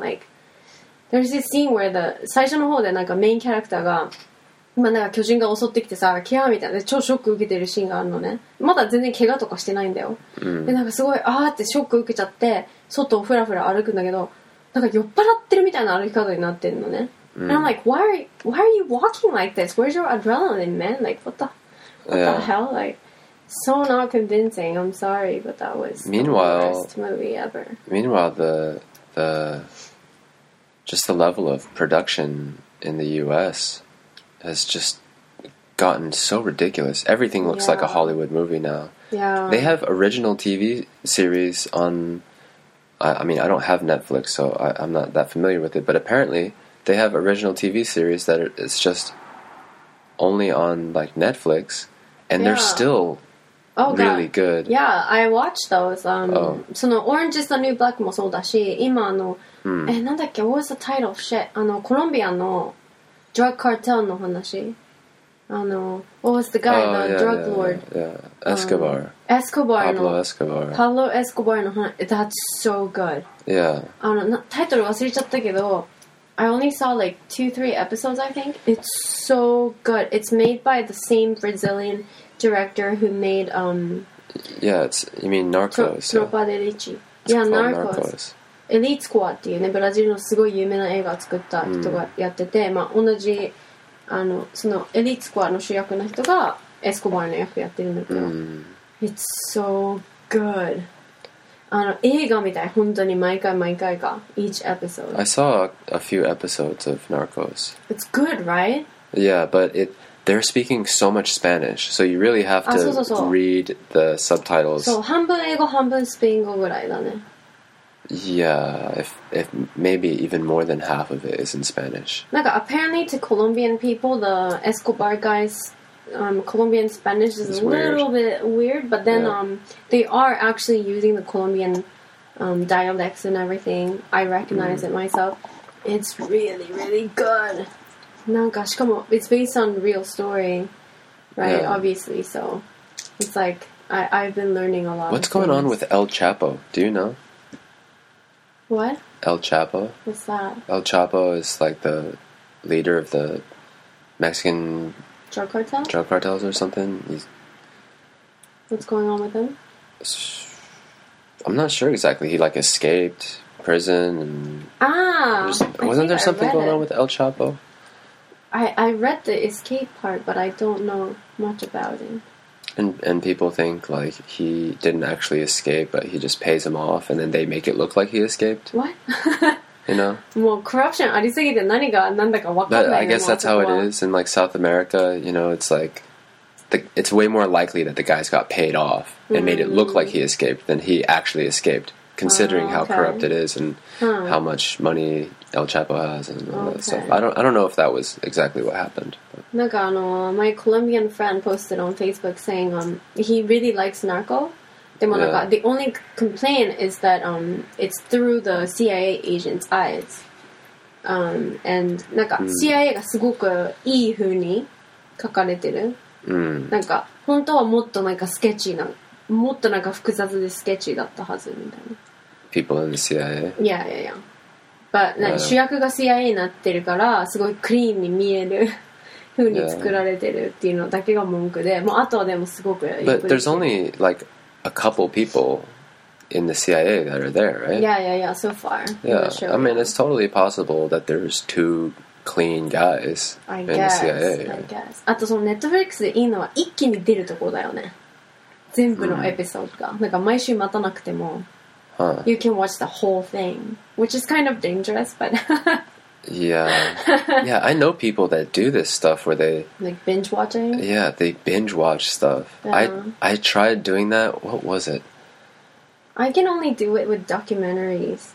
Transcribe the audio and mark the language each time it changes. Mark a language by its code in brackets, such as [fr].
[en] Like, there's this scene where the [ja] 最初の方でなんかメインキャラクターが、まあ、なんか巨人が襲ってきてさ、キャーみたいなで超ショック受けてるシーンがあるのね。まだ全然怪我とかしてないんだよ、うん、でなんかすごいあーってショック受けちゃって外をフラフラ歩くんだけど、なんか酔っ払ってるみたいな歩き方になってんのね。 Mm. [en] And I'm like, why are you walking like this? Where's your adrenaline, man? Like, what the hell? Like, so not convincing. I'm sorry, but that was meanwhile, the worst movie ever. Meanwhile, the level of production in the U.S. has just gotten so ridiculous. Everything looks like a Hollywood movie now. Yeah. They have original TV series on... I mean, I don't have Netflix, so I'm not that familiar with it, but apparently they have original TV series that it's just only on, like, Netflix, and they're still really good. Yeah, I watched those. その Orange is the New Black [ja] もそうだし、今あの、え、なんだっけ、 [en] what was the title of shit? [ja] あの、コロンビアのドラッグカルテルの話。 [en] あの、what was the guy, the drug lord? Yeah, Escobar. Escobar Pablo Escobar. Pablo Escobar [ja] の話、 [en] That's so good. Yeah. [ja] あの、タイトル忘れちゃったけど、 [en] I only saw like 2-3 episodes, I think. It's so good. It's made by the same Brazilian director who made, you mean Narcos? [ja] Tropa de Elite. Yeah, Narcos. Elite Squad っていうね、ブラジルのすごい有名な映画を作った人がやってて、まあ同じ、あの、その Elite Squad の主役の人が Escobar の役やってるんだけど。 [en] It's so good. [ja] あの、映画みたい。本当に毎回毎回か。 [en] Each episode. I saw a few episodes of Narcos. It's good, right? Yeah, but they're speaking so much Spanish. So you really have to read the subtitles. [ja] そう、半分英語、半分スペイン語ぐらいだね。 [en] Yeah, if maybe even more than half of it is in Spanish. なんか、apparently to Colombian people, the Escobar guys... Colombian Spanish is a little bit weird, but then they are actually using the Colombian dialects and everything. I recognize it myself. It's really, really good. [ja] なんかしかも [en] it's based on real story, right? Yeah. Obviously, so it's like I've been learning a lot. What's going on with El Chapo? Do you know? What? El Chapo? What's that? El Chapo is like the leader of the Mexican... Drug cartels or something. He's... What's going on with him? I'm not sure exactly. He like escaped prison and... Wasn't there something going on with El Chapo? I read the escape part, but I don't know much about him. And people think like he didn't actually escape, but he just pays him off and then they make it look like he escaped. What? You know? [ja] もうコラプションありすぎて何が何だか分かんない。 [en] I guess that's how it is in like South America. You know, it's like it's way more likely that the guy's got paid off and made it look like he escaped than he actually escaped, considering how corrupt it is and how much money El Chapo has and all that stuff. I don't know if that was exactly what happened. なんかあの、my Colombian friend posted on Facebook saying he really likes narco. [ja] でもなんか、 [en] the only complaint is that it's through the CIA agent's eyes. [ja] And なんか、CIA がすごくいい風に書かれてる。 Mm. なんか、本当はもっとなんかスケッチーなもっとなんか複雑でスケッチーだったはずみたいな。 [en] People in the CIA? Yeah, yeah, yeah. [ja] But, なんか主役が CIA になってるから、すごいクリーンに見える風に作られてるっていうのだけが文句で、もうあとはでもすごく。 [en] But there's only like a couple people in the CIA that are there, right? Yeah, yeah, yeah, so far. Yeah, I mean, it's totally possible that there's two clean guys in the CIA. I guess, [ja] あとその Netflix でいいのは一気に出るところだよね。全部のエピソードが、なんか毎週待たなくても、 huh. [en] You can watch the whole thing, which is kind of dangerous, but yeah, yeah. I know people that do this stuff where they like binge watching. Yeah, they binge watch stuff. Yeah. I tried doing that. What was it? I can only do it with documentaries.